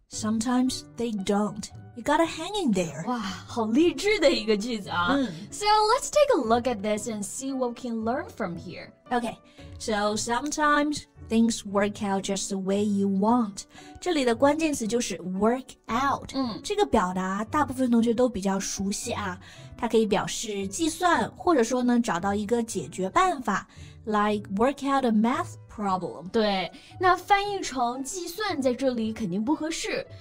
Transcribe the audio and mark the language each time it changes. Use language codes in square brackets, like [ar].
[en] Sometimes they don't. You gotta hang in there. [zh] 哇，好励志的一个句子啊。 [en] So let's take a look at this and see what we can learn from here. Okay, so sometimes... Things work out just the way you want. [zh] 这里的关键词就是 work out. 这个表达大部分同学都比较熟悉啊。它可以表示计算或者说呢找到一个解决办法 [en] like work out a math problem. [zh] 对那翻译成计算在这里肯定不合适。